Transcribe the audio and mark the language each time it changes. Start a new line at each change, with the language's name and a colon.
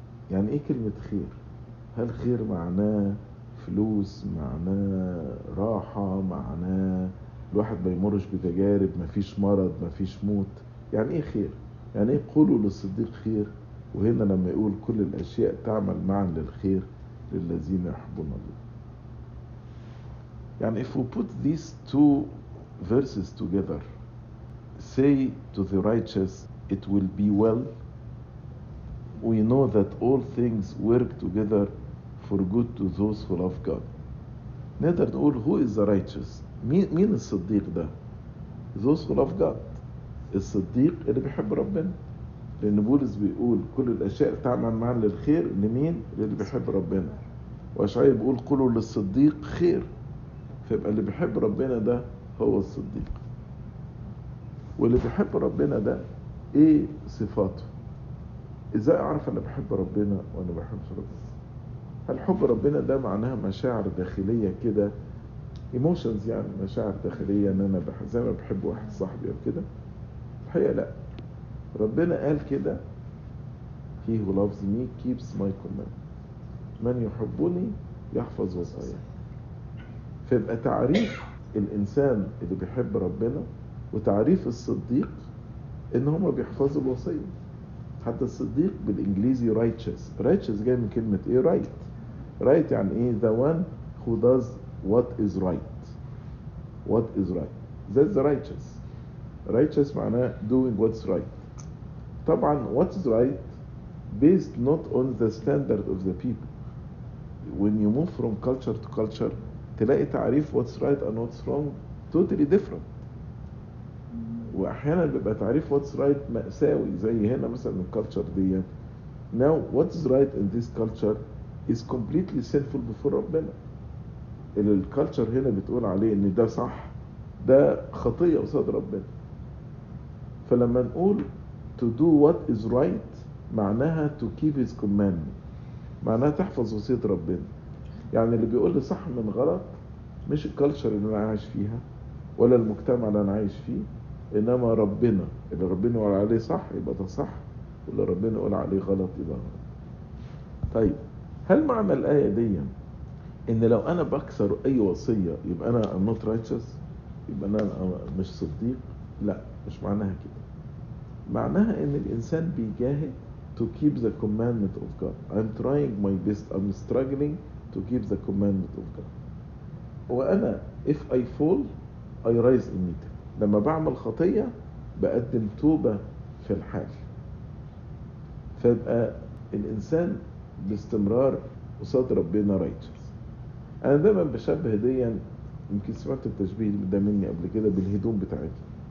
Arabic: يعني ايه كلمة خير؟ هل خير معناه فلوس، معناه راحة، معناه الواحد ما يمرش بتجارب، ما فيش مرض، ما فيش موت؟ يعني ايه خير؟ يعني ايه قولوا للصديق خير؟ وهنا لما يقول كل الاشياء تعمل معا للخير للذين يحبون الله.
English: يعني if we put these two verses together say to the righteous it will be well. We know that all things work together for good to those who love God.
Arabic: نقدر نقول
English: who is the righteous؟
Arabic: مين الصديق ده؟
English: Those who love God.
Arabic: الصديق اللي بيحب ربنا. لأن بولس بيقول كل الأشياء تعمل معا للخير لمين؟ للي بيحب ربنا. وأشعياء بيقول قولوا للصديق خير. فيبقى اللي بيحب ربنا ده هو الصديق. واللي بيحب ربنا ده إيه صفاته؟ ازاي اعرف انا بحب ربنا وانا بحب ربنا؟ هل حب ربنا ده معناها مشاعر داخليه كده ايموشنز، يعني مشاعر داخليه ان انا زي ما بحب واحد صاحبي او كده؟ الحقيقه لا، ربنا قال كده
English: he who loves me keeps my command،
Arabic: من يحبني يحفظ وصايا. فيبقى تعريف الانسان اللي بيحب ربنا وتعريف الصديق ان هما بيحفظوا الوصايا. حتى الصديق بالإنجليزي righteous. righteous جاي من كلمة إيه؟ right.
English: right
Arabic: يعني إيه؟
English: the one who does what is right. what is right. that's the righteous. righteous معناه doing what's right. طبعا what is right based not on the standard of the people. when you move from culture to culture
Arabic: تلاقي تعريف
English: what's right and what's wrong totally different.
Arabic: واحيانا بيبقى تعريف
English: what's right
Arabic: مأساوي زي هنا مثلا من culture دي.
English: now what's right in this culture is completely sinful before ربنا.
Arabic: الكالتشر هنا بتقول عليه ان ده صح، ده خطية قصاد ربنا. فلما نقول
English: to do what is right معناها to keep his commandment،
Arabic: معناها تحفظ وصية ربنا. يعني اللي بيقول لي صح من غلط مش الكالتشر اللي أنا عايش فيها ولا المجتمع اللي أنا عايش فيه، إنما ربنا. اللي ربنا يقول عليه صح يبقى ده صح، واللي ربنا يقول عليه غلط يبقى غلط. طيب هل معنى الآية دي إن لو أنا بكسر أي وصية يبقى أنا
English: I'm not righteous،
Arabic: يبقى أنا مش صديق؟ لا، مش معناها كده. معناها إن الإنسان بيجاهد
English: to keep the commandment of God. I'm trying my best. I'm struggling to keep the commandment of God. وأنا if I fall I rise immediately.
Arabic: لما بعمل خطية بقدم توبة في الحال. فيبقى الإنسان باستمرار قصاد ربنا righteous. أنا دايما بشبه دي، يمكن سمعت التشبيه ده مني قبل كده، بالهدوم بتاعتي.